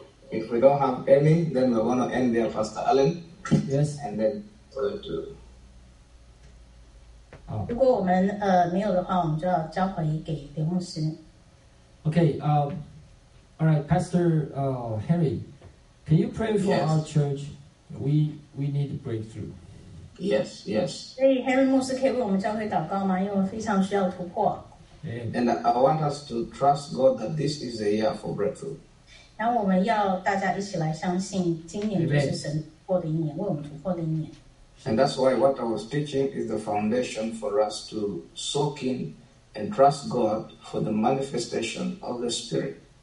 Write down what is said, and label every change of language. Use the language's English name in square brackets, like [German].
[English] If we don't have any, then we're going to end there, Pastor Allen. Yes. And then for the two. [Chinese] 如果我们没有的话，我们就要交回给林牧师。 [English] Okay. All right, Pastor Henry, can you pray for yes. our church? We need a breakthrough. Yes. Yes. [Chinese] 所以Henry牧师可以为我们教会祷告吗？因为我们非常需要突破。 [English] And I want us to trust God that this is a year for breakthrough. [Chinese] 然后我们要大家一起来相信，今年就是神突破的一年，为我们突破的一年。 [English] And that's why what I was teaching is the foundation for us to soak in and trust God for the manifestation of the Spirit.